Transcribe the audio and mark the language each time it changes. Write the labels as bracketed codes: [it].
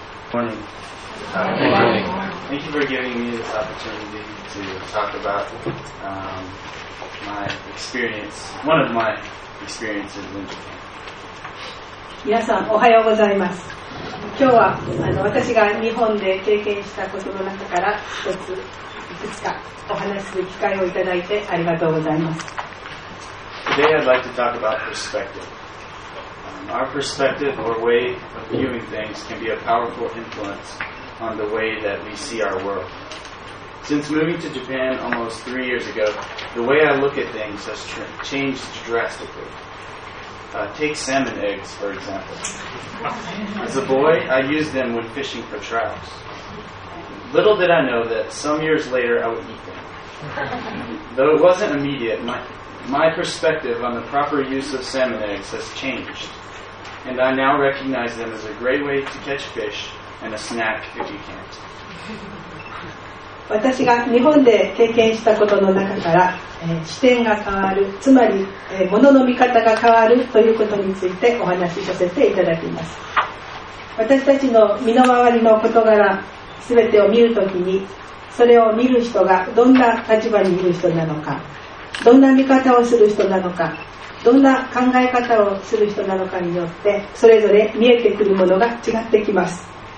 [en] Thank you for giving me this opportunity to talk about my experience, one of my experiences in Japan. [ja] 皆さん、おはようございます。今日は私が日本で経験したことの中から一つ、いくつかお話しする機会をいただいてありがとうございます。 [en] Today I'd like to talk about perspective. Our perspective or way of viewing things can be a powerful influence on the way that we see our world. Since moving to Japan almost 3 years ago, the way I look at things has changed drastically. Take salmon eggs, for example. As a boy, I used them when fishing for trout. Little did I know that some years later I would eat them. Though it wasn't immediate, my perspective on the proper use of salmon eggs has changed. And I now recognize them as a great way to catch fish and a snack if you can't. [ja] 私が日本で経験したことの中から、視点が変わる、つまり、物の見方が変わるということについてお話しさせていただきます。私たちの身の回りの事柄すべてを見るときに、それを見る人がどんな立場にいる人なのか、どんな見方をする人なのか、どんな考え方をする人なのかによってそれぞれ見えてくるものが違ってきます。